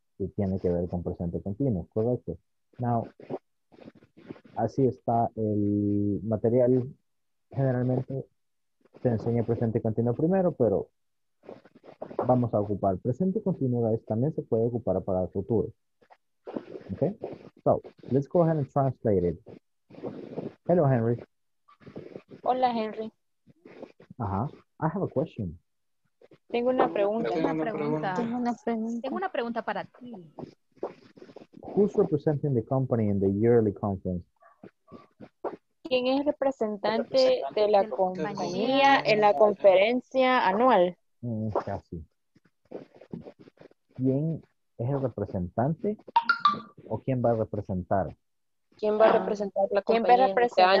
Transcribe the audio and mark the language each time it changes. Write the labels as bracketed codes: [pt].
[es] Y tiene que ver con presente continuo, correcto. Now, así está el material. Generalmente se enseña presente continuo primero, pero vamos a ocupar presente continuo. También se puede ocupar para el futuro. [en] Okay, so let's go ahead and translate it. Hello, Henry. [es] Hola, Henry. [en] I have a question. [es] Tengo una pregunta para ti. [en] Who's representing the company in the yearly conference? [es] ¿Quién es representante de la compañía en la conferencia anual? Casi. ¿Quién es el representante o quién va a representar? ¿Quién va a representar la compañía? ¿Quién va a representar